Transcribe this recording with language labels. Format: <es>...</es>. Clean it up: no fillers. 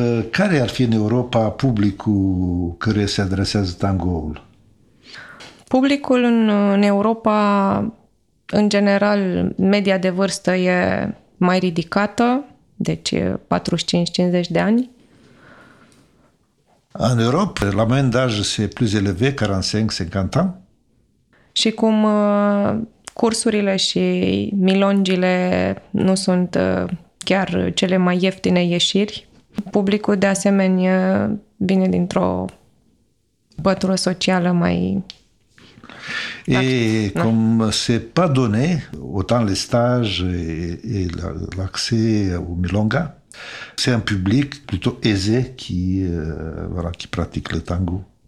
<ro>Care ar fi în Europa publicul care se adresează tangoul? Publicul în Europa, în general, media de vârstă e mai ridicată, deci 45-50 de ani. În Europa,</ro> <fr>la moyenne d'âge, c'est plus élevé, 45-50 ans.</fr> <ro>Și cum cursurile și milongile nu sunt chiar cele mai ieftine ieșiri, publicul de asemenea vine dintr-o bătură socială mai...</ro> <fr>Et non. Comme c'est pas donné, autant les stages et l'accès au milonga, c'est un public plutôt aisé qui, voilà, qui pratique le tango.</fr>